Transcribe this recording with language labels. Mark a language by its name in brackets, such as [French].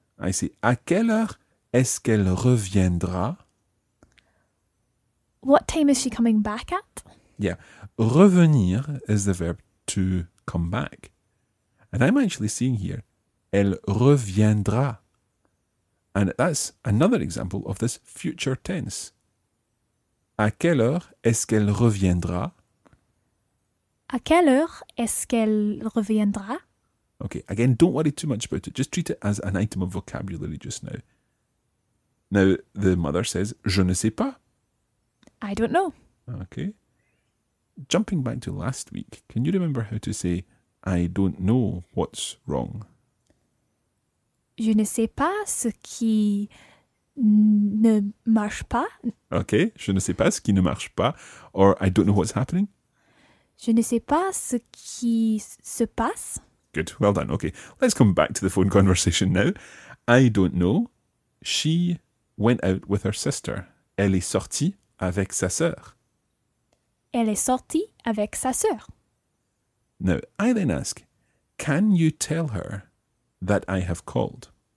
[English] I say, [French] à quelle heure est-ce qu'elle reviendra? [English] What time is she coming back at? Yeah, revenir is the verb to come back. And I'm actually seeing here, [French] elle reviendra. [English] And that's another example of this future tense. [French] À quelle heure est-ce qu'elle reviendra? À quelle heure est-ce qu'elle reviendra? [English] Okay, again, don't worry too much about it. Just treat it as an item of vocabulary just now. Now, the mother says, [French] je ne sais pas. [English] I don't know. Okay. Jumping back to last week, can you remember how to say, I don't know what's wrong? [French] Je ne sais pas ce qui ne marche pas. Okay, je ne sais pas ce qui ne marche pas. [English] Or, I don't know what's happening. [French] Je ne sais pas ce qui se passe. [English] Good, well done. Okay, let's come back to the phone conversation now. I don't know. She went out with her sister. [French] Elle est sortie avec sa sœur. Elle est sortie avec sa sœur. [English] Now, I then ask, can you tell her that I have called?